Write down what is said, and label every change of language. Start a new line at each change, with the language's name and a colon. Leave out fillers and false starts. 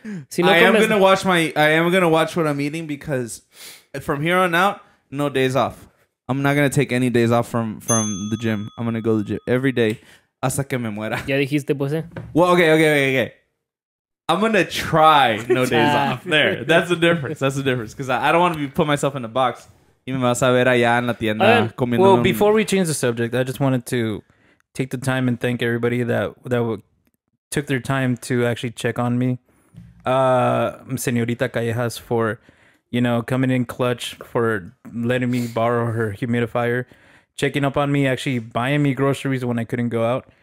Spanish: si no comes,
English: I am gonna watch what I'm eating, because from here on out, no days off. I'm not gonna take any days off from the gym. I'm gonna go to the gym every day
Spanish: hasta que me muera. Ya dijiste, pues.
English: Well, okay. I'm gonna try no days off. There, that's the difference, because I don't want to put myself in a box.
Spanish: Y me vas a ver allá en la tienda comiendo.
English: Well, before we change the subject, I just wanted to take the time and thank everybody that took their time to actually check on me, Señorita Callejas, for you know, coming in clutch for letting me borrow her humidifier, checking up on me, actually buying me groceries when I couldn't go out.